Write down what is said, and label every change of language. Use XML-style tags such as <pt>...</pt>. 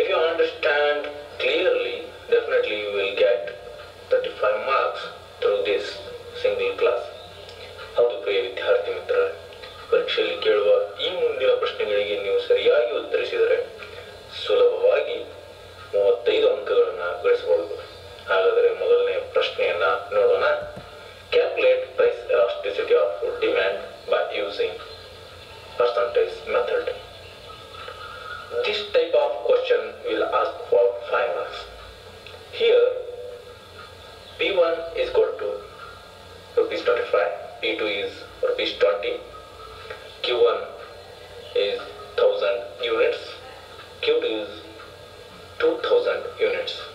<en>understand clearly, definitely you will get 35 marks through this single class.</en> <kn>ಹೌದು ವಿದ್ಯಾರ್ಥಿ ಮಿತ್ರ, ಪರೀಕ್ಷೆಯಲ್ಲಿ ಕೇಳುವ ಈ ಮುಂದಿನ ಪ್ರಶ್ನೆಗಳಿಗೆ ನೀವು ಸರಿಯಾಗಿ ಉತ್ತರಿಸಿದರೆ ಸುಲಭವಾಗಿ 35 ಅಂಕಗಳನ್ನು ಗಳಿಸಬಹುದು. ಹಾಗಾದರೆ ಮೊದಲನೇ ಪ್ರಶ್ನೆಯನ್ನ ನೋಡೋಣ.</kn> <en>Calculate price elasticity of demand by using percentage method. This type of question will ask for 5 marks. Here P1 is got to rupees 25, P2 is rupees 20, Q1 is 1000 units, Q2 is 2000 units.</en>